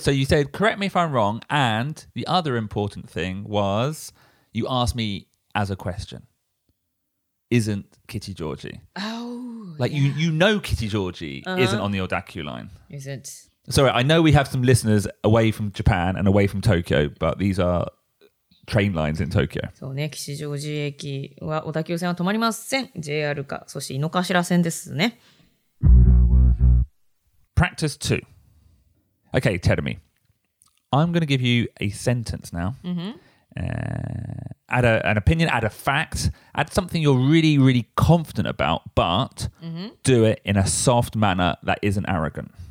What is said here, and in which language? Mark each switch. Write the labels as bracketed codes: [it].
[en] So you said, correct me if I'm wrong. And the other important thing was you asked me as a question, isn't Kichijoji? Oh, like、 yeah. you know Kichijoji、uh-huh. isn't on the Odakyu line. Is it? Sorry, I know we have some listeners away from Japan and away from Tokyo, but these are train lines in Tokyo. [ja] そうね、Kichijoji 駅は小田急線は止まりません。 JR か、そして井の頭線ですね。 [en] Practice two. Okay, Terumi, I'm going to give you a sentence now. Mm-hmm. Add an opinion, add a fact, add something you're really, really confident about, but、mm-hmm. do it in a soft manner that isn't arrogant.